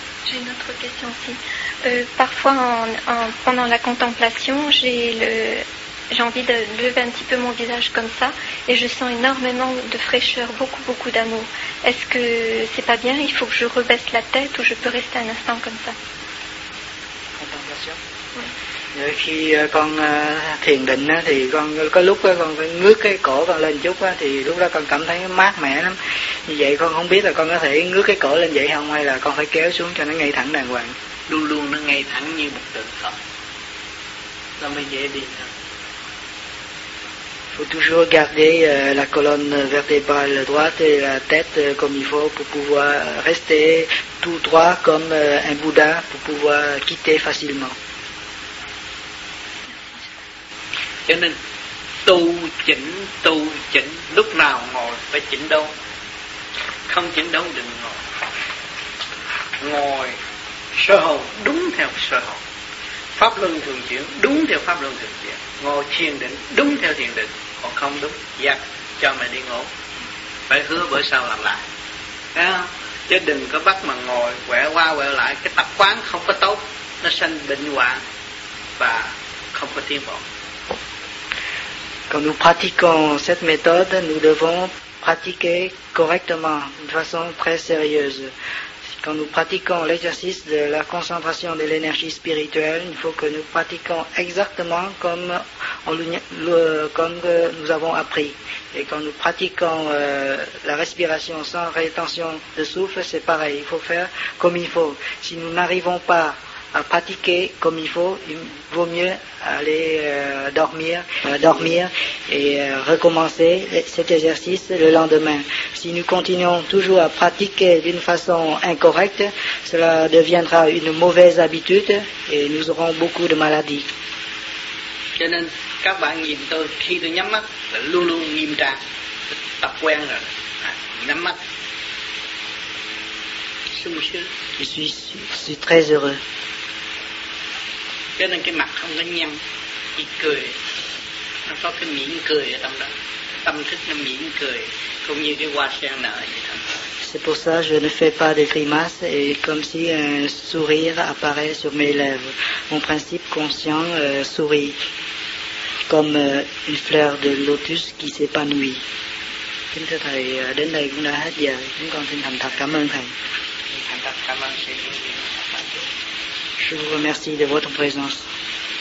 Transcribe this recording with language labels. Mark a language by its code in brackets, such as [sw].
[fr] J'ai une autre question aussi. Parfois, pendant la contemplation, j'ai envie de lever un petit peu mon visage comme ça et je sens énormément de fraîcheur, beaucoup, beaucoup d'amour. Est-ce que c'est pas bien? Il faut que je rebaisse la tête ou je peux rester un instant comme ça? Contemplation? Oui. [vi] Khi con thiền định thì con có lúc con phải ngước cái cổ con lên chút thì lúc đó con cảm thấy mát mẻ lắm. Như vậy con không biết là con có thể ngước cái cổ lên vậy không hay là con phải kéo xuống cho nó ngay thẳng đàng hoàng. Luôn luôn nó ngay thẳng như một tượng Phật. Là mình dễ đi. [fr] Faut toujours garder la colonne vertébrale droite et la tête comme il faut pour pouvoir rester tout droit comme un Bouddha pour pouvoir quitter facilement. [vi] Cho nên tu chỉnh lúc nào ngồi phải chỉnh đâu, không chỉnh đâu đừng ngồi. Ngồi sơ hồn đúng theo sơ hồn, pháp luân thường chuyển đúng theo pháp luân thường chuyển, ngồi thiền định đúng theo thiền định, còn không đúng dạ cho mày đi ngủ, phải hứa bữa sau làm lại, thấy không? Chứ đừng có bắt mà ngồi quẹo qua quẹo lại, cái tập quán không có tốt, nó sanh bệnh hoạn và không có tiến bộ. [fr] Quand nous pratiquons cette méthode, nous devons pratiquer correctement, de façon très sérieuse. Quand nous pratiquons l'exercice de la concentration de l'énergie spirituelle, il faut que nous pratiquions exactement comme nous avons appris. Et quand nous pratiquons la respiration sans rétention de souffle, c'est pareil, il faut faire comme il faut. Si nous n'arrivons pas à pratiquer comme il faut, il vaut mieux aller dormir et recommencer cet exercice le lendemain. Si nous continuons toujours à pratiquer d'une façon incorrecte, cela deviendra une mauvaise habitude et nous aurons beaucoup de maladies. [vi] Cho nên các bạn nhìn tôi khi tôi nhắm mắt là luôn luôn nghiêm trang, tập quen rồi, nhắm mắt. [fr] Je suis très heureux. [vi] Cho nên cái mặt không có nhăn, chỉ cười, nó có cái mỉm cười ở trong đó, tâm thức nó mỉm cười, cũng như cái hoa sen nở vậy thôi. [fr] C'est pour ça que je ne fais pas de grimaces et comme si un sourire apparaît sur mes lèvres. Mon principe conscient sourit comme une fleur de lotus qui s'épanouit. [vi] Kính thưa thầy, đến đây cũng đã hết giờ, chúng con xin thành thật cảm ơn thầy. Thành thật cảm ơn thầy. [fr] Je vous remercie de votre présence.